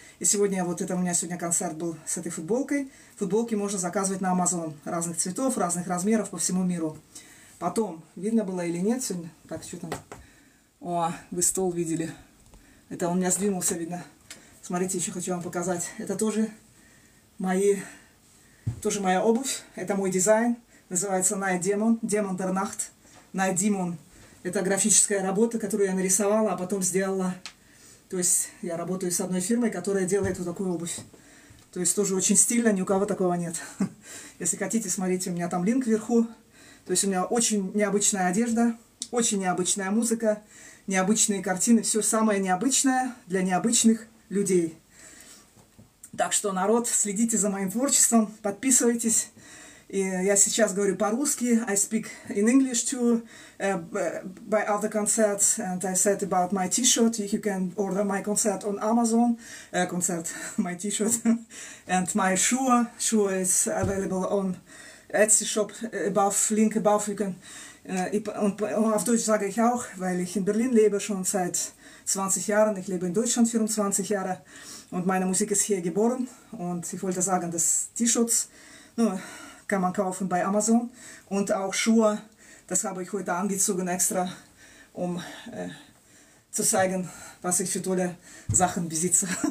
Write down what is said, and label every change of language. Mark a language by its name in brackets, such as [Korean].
[Russian] И сегодня, вот это у меня сегодня концерт был с этой футболкой. Футболки можно заказывать на Amazon разных цветов, разных размеров по всему миру. Потом, видно было или нет сегодня, так, что там? О, вы стол видели. Это он у меня сдвинулся, видно. Смотрите, еще хочу вам показать. Это тоже моя обувь, это мой дизайн. Называется «Night Demon», «Demon der Nacht», «Night Demon». Это графическая работа, которую я нарисовала, а потом сделала. То есть я работаю с одной фирмой, которая делает вот такую обувь. То есть тоже очень стильно, ни у кого такого нет. Если хотите, смотрите, у меня там линк вверху. То есть у меня очень необычная одежда, очень необычная музыка, необычные картины, все самое необычное для необычных людей. Так что, народ, следите за моим творчеством, подписывайтесь. И я сейчас говорю по-русски. [English] I speak in English too. By other concerts, and I said about my T-shirt. You can order my concert on Amazon. Concert, my T-shirt, and my shoe. Shoe is available on Etsy shop above. Link above. You can. [German] Und auf Deutsch sage ich auch, weil ich in Berlin lebe schon seit 20 Jahren. Ich lebe in Deutschland 24 Jahre. Und meine Musik ist hier geboren. Und ich wollte sagen, das T-Shirt. Ну, kann man kaufen bei Amazon. Und auch Schuhe, das habe ich heute angezogen extra, um zu zeigen, was ich für tolle Sachen besitze.